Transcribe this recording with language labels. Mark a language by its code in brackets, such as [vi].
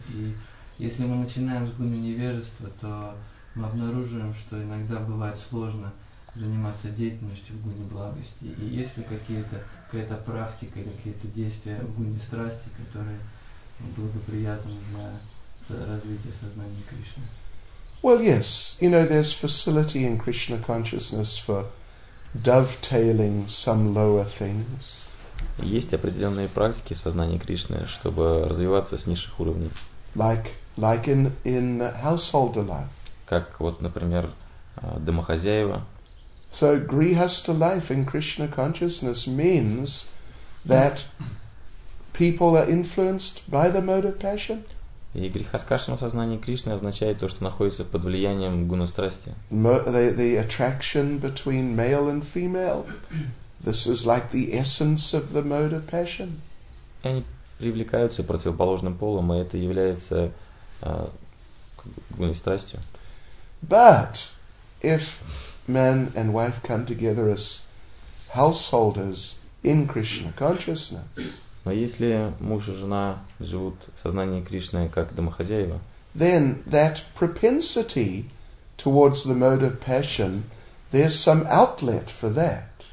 [ru] И если мы начинаем с гуны невежества, то мы обнаруживаем, что иногда бывает сложно заниматься деятельностью в гуне благости. И есть ли какая-то практика или какие-то действия в гуне страсти, которые благоприятны для развития сознания Кришны? [en] Well, yes. You know, there's facility in Krishna consciousness for dovetailing some lower things. [ru] Есть определенные практики сознания Кришны, чтобы развиваться с низших уровней. [en] Like in householder life. [ru] Как вот, например, домохозяева. [en] So grihastha life in Krishna consciousness means that people are influenced by the mode of passion. [ru] И грихаскашма в сознании Кришны означает то, что находится под влиянием гуны страсти. [en] The attraction between male and female. This is like the essence of the mode of passion. [ru] Они привлекаются противоположным полом, и это является гуной страстью. [en] But if man and wife come together as householders in Krishna consciousness, [ru] но если муж и жена живут в сознании Кришны как домохозяева, [en] then that propensity towards the mode of passion, there's some outlet for that.